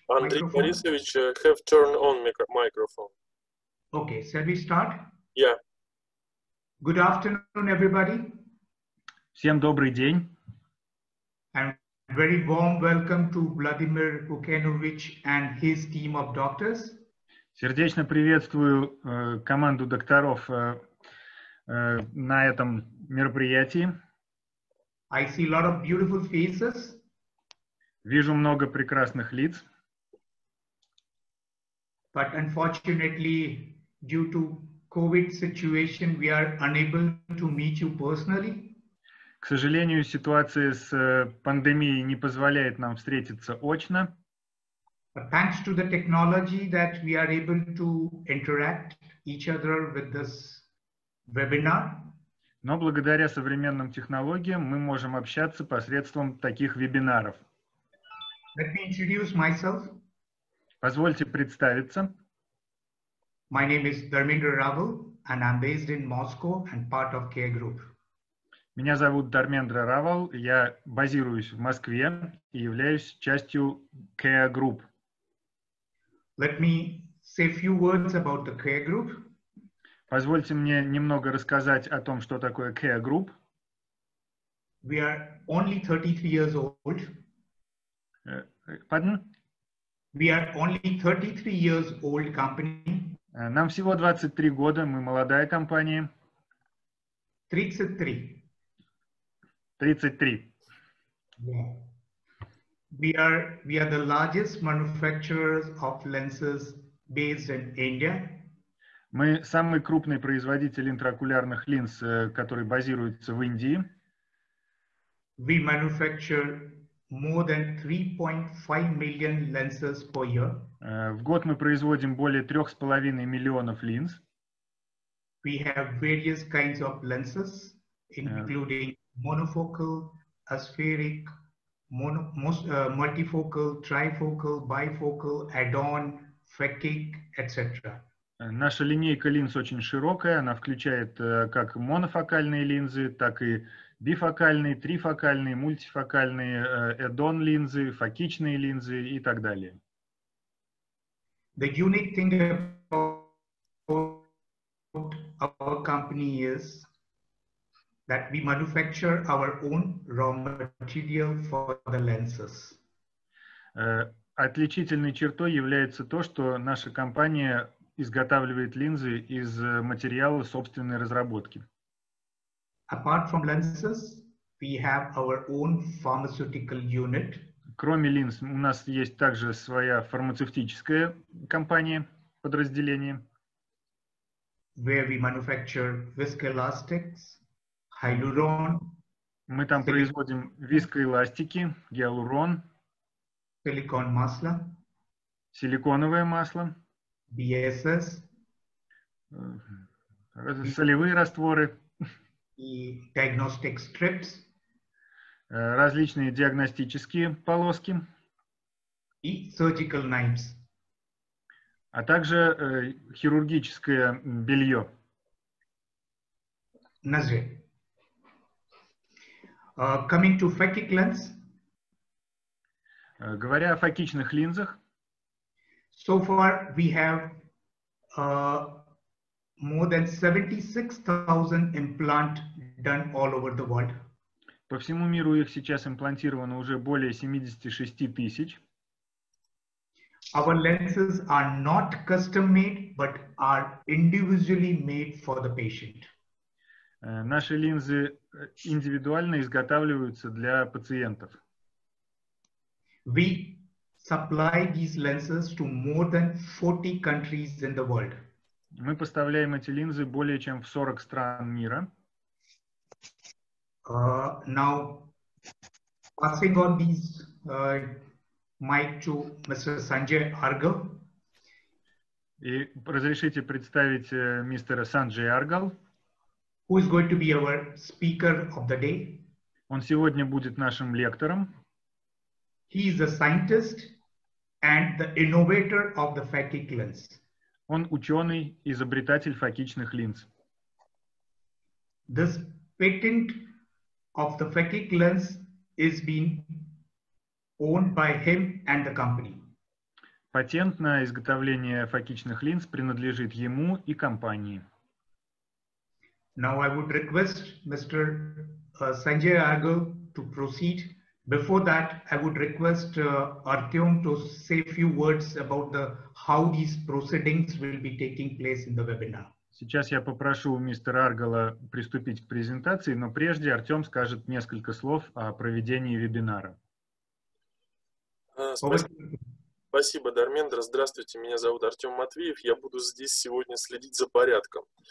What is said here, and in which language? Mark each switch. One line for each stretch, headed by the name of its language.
English: Andrey Borisovich, have turned on microphone. Okay, shall we start? Yeah. Good afternoon, everybody.
Russian: Всем добрый день.
English: And very warm welcome to Vladimir Ukrainovich and his team of doctors.
Russian: Сердечно приветствую команду докторов на этом мероприятии.
English: I see a lot of beautiful faces.
Russian: Вижу много прекрасных лиц.
English: But unfortunately, due to COVID situation, we are unable to meet you personally.
Russian: К сожалению, ситуация с пандемией не позволяет нам встретиться очно.
English: But thanks to the technology that we are able to interact each other with this webinar.
Russian: Но благодаря современным технологиям мы можем общаться посредством таких вебинаров.
English: Let me introduce myself.
Russian: Позвольте представиться.
English: My name is Dharmendra Raval, and I'm based in Moscow and part of Care Group.
Russian: Меня зовут Дармендра Равал, я базируюсь в Москве и являюсь частью Care Group.
English: Let me say a few words about the Care Group.
Russian: Позвольте мне немного рассказать о том, что такое Care Group.
English: We are only 33 years old. Pardon? We are only 33 years old company.
Russian: Нам всего 23 года, мы молодая компания.
English: 33. Yeah. We are the largest manufacturers of lenses based in India.
Russian: Мы самый крупный производитель интраокулярных линз, который базируется в Индии.
English: We manufacture more than 3.5 million lenses per year.
Russian: В год мы производим более 3.5 миллионов линз.
English: We have various kinds of lenses, including monofocal, aspheric, multifocal, trifocal, bifocal, add-on, phakic, etc.
Russian: Наша линейка линз очень широкая. Она включает как монофокальные линзы, так и бифокальные, трифокальные, мультифокальные, add-on линзы, фокичные линзы и так далее.
English: The unique thing about our company is that we manufacture our own raw material for the lenses.
Russian: Отличительной чертой является то, что наша компания изготавливает линзы из материала собственной разработки.
English: Apart from lenses, we have our own pharmaceutical unit.
Russian: Кроме линз, у нас есть также своя фармацевтическая компания, подразделение.
English: Where we manufacture viscoelastics, hyaluron.
Russian: Мы там производим вискоэластики, гиалурон. Силикон масло. Силиконовое масло.
English: BSS.
Russian: Солевые растворы. И
English: diagnostic strips.
Russian: Различные диагностические полоски. И
English: surgical knives.
Russian: А также хирургическое белье. Ножи.
English: Coming to phakic lens.
Russian: Говоря о фокичных линзах.
English: So far we have more than 76,000 implant done all over the world.
Russian: По всему миру их сейчас имплантировано уже более 76 тысяч.
English: Our lenses are not custom made, but are individually made for the patient.
Russian: Наши линзы индивидуально изготавливаются для пациентов.
English: We supply these lenses to more than 40 countries in the world.
Russian: Мы поставляем эти линзы более чем в 40 стран мира.
English: Now, passing on these mic to Mr. Sanjay Argal.
Russian: И разрешите представить мистера Санджай Аргал.
English: Who is going to be our speaker of the day?
Russian: Он сегодня будет нашим лектором.
English: He is a scientist and the innovator of the phakic lens.
Russian: Он ученый, изобретатель фокичных линз.
English: This patent of the phakic lens is being owned by him and the company.
Russian: Патент на изготовление фокичных линз принадлежит ему и компании.
English: Now I would request Mr. Sanjay Argal to proceed. Before that, I would request Artyom to say a few words about the how these proceedings will be taking place in the webinar.
Russian: Сейчас я попрошу мистера Аргала приступить к презентации, но прежде Артём скажет несколько слов о проведении вебинара. Спасибо, Дармендр. Здравствуйте, меня зовут Артём Матвеев. Я буду здесь сегодня следить за порядком.